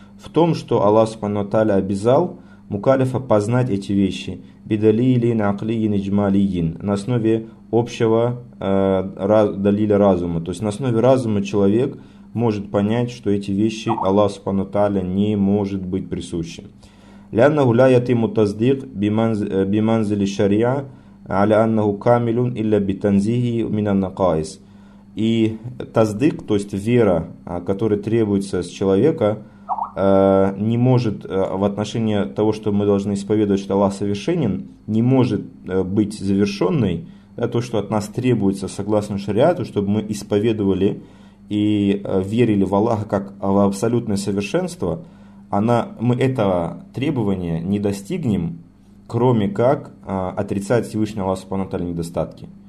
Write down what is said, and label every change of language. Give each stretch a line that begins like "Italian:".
Russian: В том, что Аллах Субхану Тааля обязал мукалифа познать эти вещи
Arabic: «бидалилин аклиин иджмалиин»
Russian: на основе общего далиля разума. То есть на основе разума человек может понять, что эти вещи Аллах Субхану Тааля не может быть присущи.
Arabic: لأنه لا يتم التصديق بمنزل الشريعة على أنه كامل إلا بتنزيه من النقائص.
Russian: И тасдик, то есть вера, которая требуется с человека, не может в отношении того, что мы должны исповедовать, что Аллах совершенен, не может быть завершенной, да, то, что от нас требуется согласно шариату, чтобы мы исповедовали и верили в Аллаха как в абсолютное совершенство, мы этого требования не достигнем, кроме как отрицать Всевышний Аллах Субхану Тааля недостатки.